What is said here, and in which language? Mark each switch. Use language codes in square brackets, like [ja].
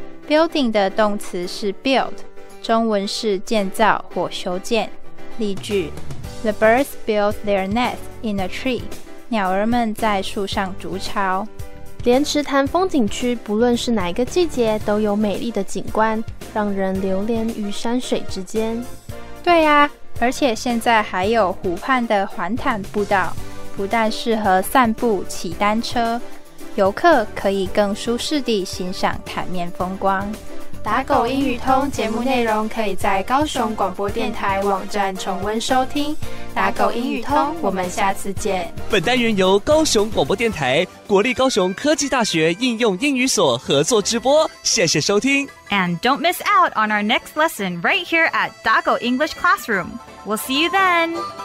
[zh] Building 的动词是 build, 中文是建造或修建。例句， [en] The birds build their nest in a tree. [zh] 鸟儿们在树上筑巢。莲池潭风景区不论是哪一个季节都有美丽的景观，让人流连于山水之间。对呀，而且现在还有湖畔的环潭步道，不但适合散步骑单车，游客可以更舒适地欣赏潭面风光。打狗英语通节目内容可以在高雄广播电台网站重温收听。打狗英语通，我们下次见。本单元由高雄广播电台、国立高雄科技大学应用英语所合作直播，谢谢收听。 [en] And don't miss out on our next lesson right here at 打狗 English Classroom. We'll see you then.